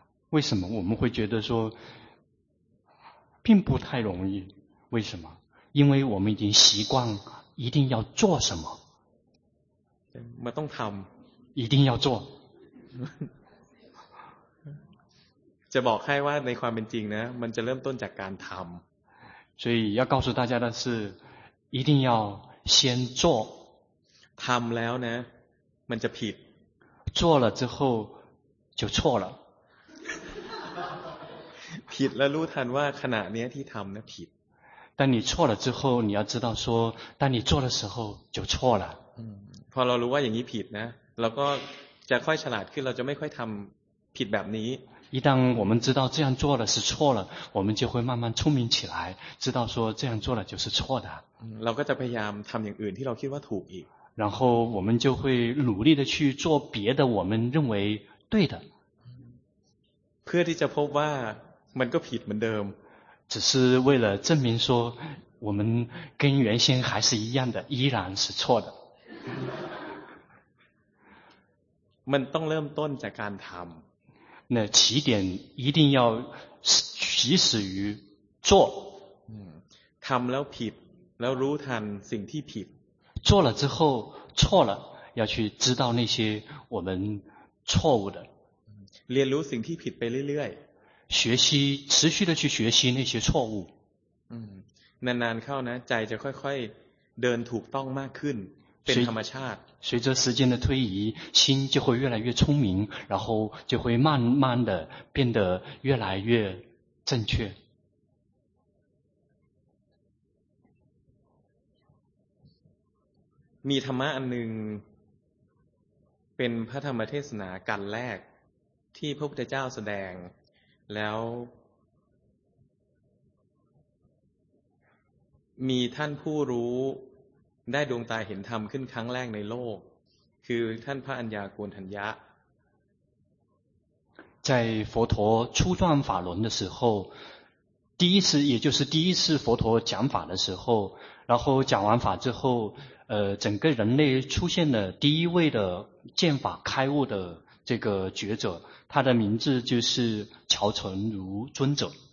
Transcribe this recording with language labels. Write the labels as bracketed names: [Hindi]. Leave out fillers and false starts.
[Chinese] 为什么我们会觉得说并不太容易为什么因为我们已经习惯一定要做什么 [Thai] มันต้องทำ [Chinese] 一定要做 [Thai] จะบอกให้ว่าในความเป็นจริงนะมันจะเริ่มต้นจากการทำ [Chinese] 所以要告诉大家的是一定要先做 [Thai] ทำแล้วนะมันจะผิด [Chinese] 做了之后就错了 [Thai] ผิดแล้วรู้ทันว่าขณะนี้ที่ทำนะผิด [Chinese] 当你错了之后你要知道说当你做的时候就错了 [Thai] พอเรารู้ว่าอย่างนี้ผิดนะเราก็จะค่อยฉลาดขึ้นเราจะไม่ค่อยทำผิดแบบนี้ [Chinese] 一旦我们知道这样做了是错了我们就会慢慢聪明起来知道说这样做了就是错的 [Thai] เราก็จะพยายามทำอย่างอื่นที่เราคิดว่าถูกอีก [Chinese] 然后我们就会努力的去做别的我们认为对的 [Thai] เพื่อที่จะพบว่ามันก็ผิดเหมือนเดิม [Chinese] 只是为了证明说我们跟原先还是一样的依然是错的 [Thai] มันต้องเริ่มต้นจากการทำ [Chinese] 那起点一定要起始于做 [Thai] ทำแล้วผิดแล้วรู้ทันสิ่งที่ผิด [Chinese] 做了之后错了要去知道那些我们错误的 [Thai] เรียนรู้สิ่งที่ผิดไปเรื่อย [Chinese] ๆ学习持续的去学习那些错误 [Thai] นานๆเข้านะใจจะค่อยๆเดินถูกต้องมากขึ้นเป็นธรรมชาติ [Chinese] 随着时间的推移心就会越来越聪明然后就会慢慢的变得越来越正确 [Thai] มีธรรมะอันหนึ่งเป็นพระธรรมเทศนากันแรกที่พระพุทธเจ้าแสดงแล้วมีท่านผู้รู้ได้ดวงตาเห็นธรรมขึ้นครั้งแรกในโลกคือท่านพระอัญญาโกณฑัญญะ [Chinese] 在佛陀初段法轮的时候第一次也就是第一次佛陀讲法的时候然后讲完法之后整个人类出现了第一位的见法开悟的这个觉者他的名字就是乔成如尊者